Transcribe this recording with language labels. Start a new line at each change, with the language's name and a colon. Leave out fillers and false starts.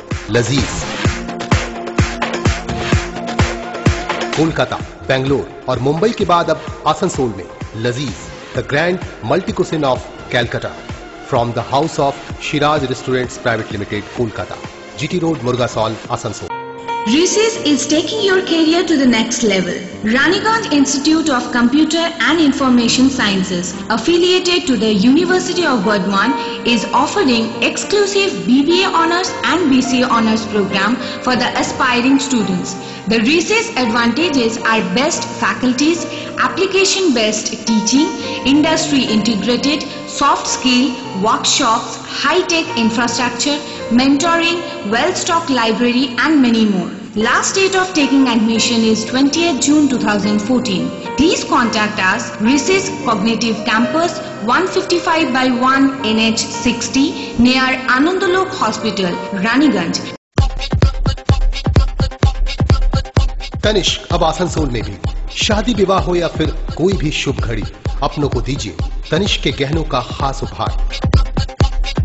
Hindi: लजीज कोलकाता, बेंगलोर और मुंबई के बाद अब आसनसोल में लजीज the grand multi कुसिन of Calcutta from the house of Siraj restaurants private limited Kolkata GT road मुर्गासोल Asansol.
English: Rhesus is taking your career to the next level. Raniganj Institute of Computer and Information Sciences, affiliated to the University of Burdwan, is offering exclusive BBA honors and BCA honors program for the aspiring students. The Rhesus advantages are best faculties, application-based teaching, industry-integrated, soft skill, workshops, high-tech infrastructure, mentoring, well-stocked library and many more. Last date of taking admission is 20th June 2014. Please contact us, Rhesus Cognitive Campus, 155/1 NH60, near Anandalok Hospital, Raniganj.
Hindi: Tanishq अब आसनसोल में भी। शादी विवाह हो या फिर कोई भी शुभ घड़ी, अपनों को दीजिए तनिष्क के गहनों का खास उपहार।